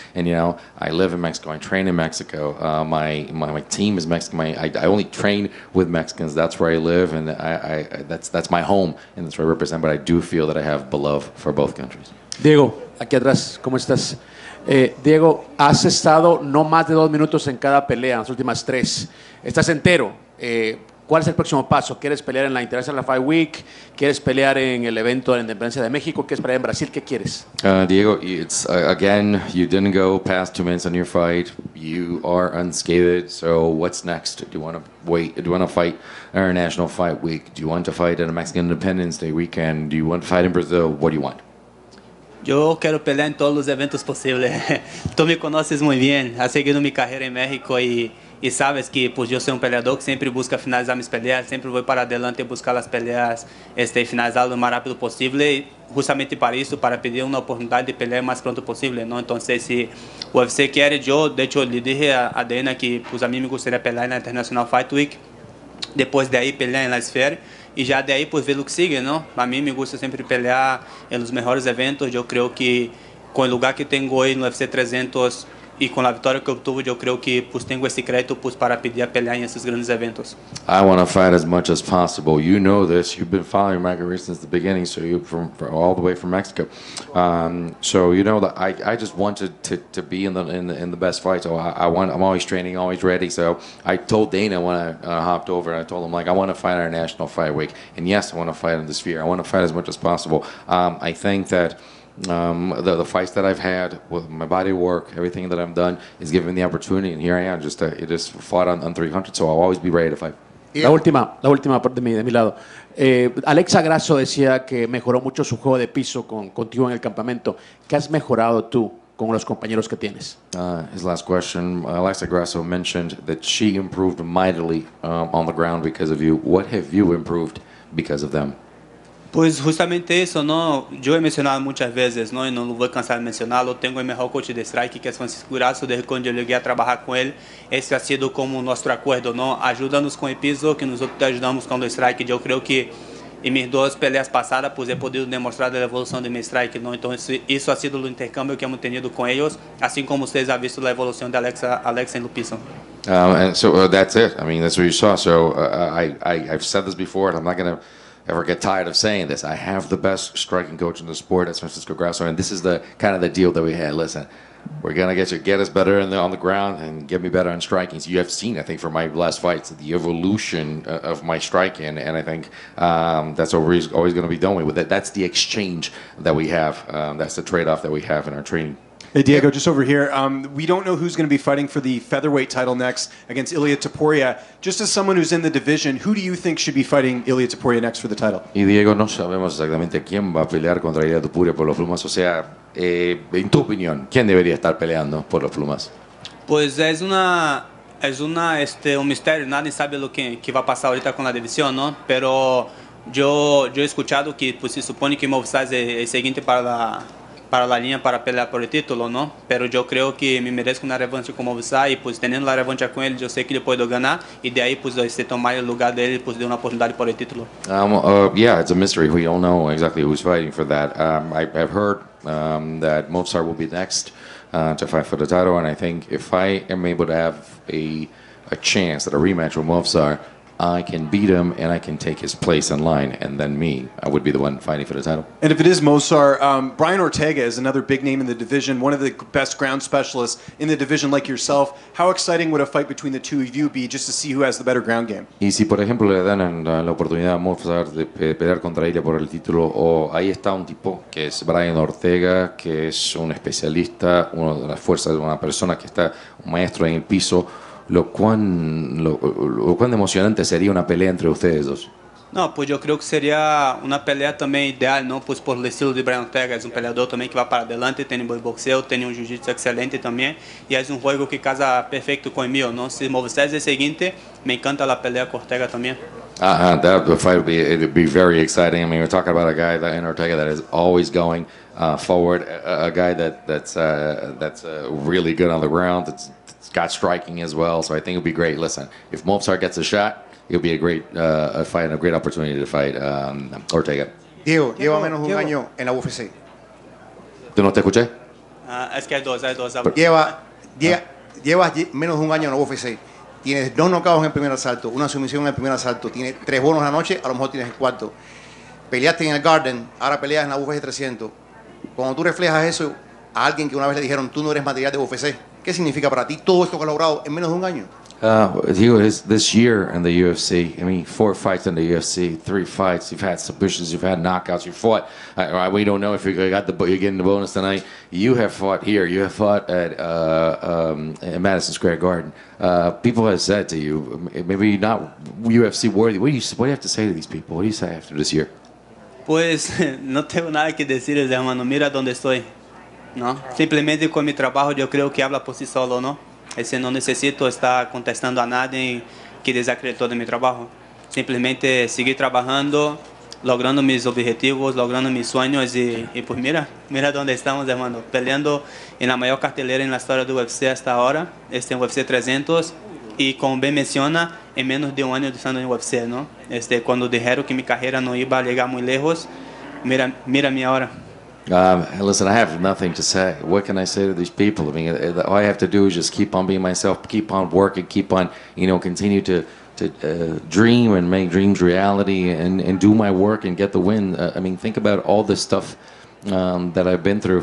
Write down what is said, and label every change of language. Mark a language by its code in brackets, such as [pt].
[en] And, you know, I live in Mexico, I train in Mexico. My team is Mexican. I only train with Mexicans. That's where I live, and that's my home, and that's where I represent. But I do feel that I have love for both countries. [es] Diego, aquí atrás, ¿cómo estás? Diego, has estado no más de 2 minutos en cada pelea, en las últimas 3. Estás entero. ¿Cuál es el próximo paso? ¿Quieres pelear en la International Fight Week? ¿Quieres pelear en el evento de la Independencia de México? ¿Quieres pelear en Brasil? ¿Qué quieres? [en] Diego, it's again, you didn't go past 2 minutes on your fight. You are unscathed. So what's next? Do you want to wait? Do you want to fight International Fight Week? Do you want to fight in a Mexican Independence Day weekend? Do you want to fight in Brazil? What do you want? [es] Yo quiero pelear en todos los eventos posibles. Tú me conoces muy bien, has seguido mi carrera en México y sabes que pues yo soy un peleador que siempre busca finalizar mis peleas, siempre voy para adelante a buscar las peleas, finalizar lo más rápido posible, justamente para eso, para pedir una oportunidad de pelear más pronto posible, ¿no? Entonces, si UFC quiere, yo de hecho le dije a Dana que pues a mí me gustaría pelear en la International Fight Week, después de ahí pelear en la esfera. E já daí, pois, ver o que segue, não? A mim, me gusta sempre pelear nos melhores eventos. Eu creio que, com o lugar que tenho hoje no UFC 300 e com a vitória que obtuve, eu creio que, pois, tenho esse crédito, pois, para pedir a pelear em esses grandes eventos. [en] I want to fight as much as possible. You know this. You've been following my career since the beginning, so you're from all the way from Mexico. So, you know, that I just wanted to be in the best fight. So, I'm always training, always ready. So, I told Dana when I hopped over, I told him, like, I want to fight our National Fight Week. And, yes, I want to fight in the sphere. I want to fight as much as possible. I think that the fights that I've had with my body work, everything that I've done, is giving me the opportunity. And here I am, just fought on 300. So, I'll always be ready to fight. [es] Yeah. La última parte de mi lado. Alexa Grasso decía que mejoró mucho su juego de piso contigo en el campamento. ¿Qué has mejorado tú con los compañeros que tienes? [en] His last question. Alexa Grasso mentioned that she improved mightily on the ground because of you. What have you improved because of them? [es] Pues justamente eso, ¿no? Yo he mencionado muchas veces, ¿no? Y no lo voy a cansar de mencionarlo. Tengo el mejor coach de strike, que es Francisco Grasso. Desde cuando yo llegué a trabajar con él, ese ha sido como nuestro acuerdo, ¿no? Ayúdanos con el piso, que nosotros te ayudamos con el strike. Yo creo que en mis dos peleas pasadas, pues he podido demostrar la evolución de mi strike, ¿no? Entonces, eso ha sido el intercambio que hemos tenido con ellos, así como ustedes han visto la evolución de Alexa en el piso. [en] That's it. I mean, that's what you saw. So, I've said this before, and I'm not going to ever get tired of saying this. I have the best striking coach in the sport at Francisco Grasso, and this is the kind of the deal that we had. Listen, we're going to get us better on the ground and get me better on striking. So you have seen, I think, from my last fights, the evolution of my striking, and I think that's what we're always going to be doing with it. That's the exchange that we have. That's the trade-off that we have in our training. Hey, Diego, just over here. We don't know who's going to be fighting for the featherweight title next against Ilia Topuria. Just as someone who's in the division, who do you think should be fighting Ilia Topuria next for the title? [es] Y Diego, no sabemos exactamente quién va a pelear contra Ilia Topuria por los plumas. O sea, en tu opinión, ¿quién debería estar peleando por los plumas? Pues es un misterio. Nadie sabe lo que va a pasar ahorita con la división, ¿no? Pero yo he escuchado que pues, se supone que Movistar es el siguiente para la línea para pelear por el título, ¿no? Pero yo creo que me merezco una revancha con Movistar y pues teniendo la revancha con él, yo sé que le puedo ganar y de ahí pues tomar el lugar de él y pues de una oportunidad por el título. [en] Yeah, it's a mystery. We don't know exactly who's fighting for that. I've heard that Movistar will be next to fight for the title, and I think if I am able to have a chance at a rematch with Movistar, I can beat him and I can take his place in line, and then I would be the one fighting for the title. And if it is Mosar, Brian Ortega is another big name in the division, one of the best ground specialists in the division like yourself. How exciting would a fight between the two of you be just to see who has the better ground game? [es] Y si por ejemplo le dan la oportunidad a Mosar de pelear contra ella por el título, o ahí está un tipo que es Brian Ortega, que es un especialista, uno de las fuerzas de una persona que está un maestro en el piso. ¿Cuán emocionante sería una pelea entre ustedes dos? No, pues yo creo que sería una pelea también ideal, ¿no? Pues por el estilo de Brian Ortega, es un peleador también que va para adelante, tiene buen boxeo, tiene un jiu-jitsu excelente también, y es un juego que casa perfecto con el mío, ¿no? Si Movistar es el siguiente, me encanta la pelea con Ortega también. [en] That fight would be very exciting. I mean, we're talking about a guy in Ortega that is always going forward, a guy that's really good on the ground, that's got striking as well, so I think it'll be great. Listen, if Movistar gets a shot, it'll be a great fight and a great opportunity to fight Ortega. [es] Diego, lleva menos de un año en la UFC. ¿Tú no te escuché? Es que hay dos. Llevas menos de un año en la UFC. Tienes dos knockouts en el primer asalto, una sumisión en el primer asalto. Tienes tres bonos en la noche, a lo mejor tienes el cuarto. Peleaste en el Garden, ahora peleas en la UFC 300. Cuando tú reflejas eso a alguien que una vez le dijeron, tú no eres material de UFC, ¿qué significa para ti todo esto que has logrado en menos de un año? [en] This year in the UFC, I mean, four fights in the UFC, three fights, you've had submissions, you've had knockouts, you fought. We don't know if you're getting the bonus tonight. You have fought here. You have fought at Madison Square Garden. People have said to you, maybe not UFC worthy. What do you have to say to these people? What do you say after this year? [es] Pues, no tengo nada que decir, hermano. Mira dónde estoy. No, simplemente con mi trabajo yo creo que habla por sí solo, ¿no? Ese no necesito estar contestando a nadie que desacreditó de mi trabajo. Simplemente seguir trabajando, logrando mis objetivos, logrando mis sueños y pues mira dónde estamos, hermano. Peleando en la mayor cartelera en la historia de UFC hasta ahora, UFC 300. Y como bien menciona, en menos de un año de estando en UFC, ¿no? Cuando dijeron que mi carrera no iba a llegar muy lejos, mira mi ahora. [en] Listen, I have nothing to say. What can I say to these people? I mean, all I have to do is just keep on being myself, keep on working, keep on, you know, continue to dream and make dreams reality and do my work and get the win. I mean, think about all this stuff that I've been through.